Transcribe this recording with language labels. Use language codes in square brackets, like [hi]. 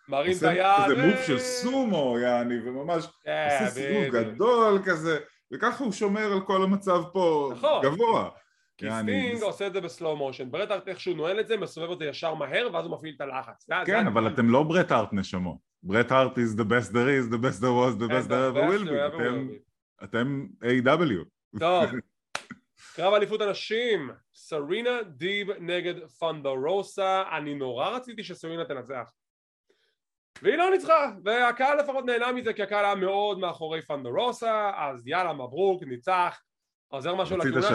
[he] עושה איזה מוב של סומו, יעני, וממש עושה סיבוב גדול כזה, וככה הוא שומר על כל המצב פה גבוה. כי סטינג עושה את זה בסלו מושן, ברט ארט איך שהוא נועל את זה, מסובב את זה ישר מהר, ואז הוא מפעיל את הלחץ. כן, אבל אתם לא ברט ארט נשמו. [en] ברט ארט is the best there is, the best there was, the best there ever will be. [he] אתם AEW. טוב. קרב אליפות הנשים, סרינה דיב נגד פונדה רוסה, אני נורא רציתי שסרינה תנצח. והיא לא ניצחה, והקהל לפחות נהנה מזה, כי הקהל היה מאוד מאחורי פונדה רוסה, אז יאללה מברוק, ניצח, עוזר משהו לתמונה שלה.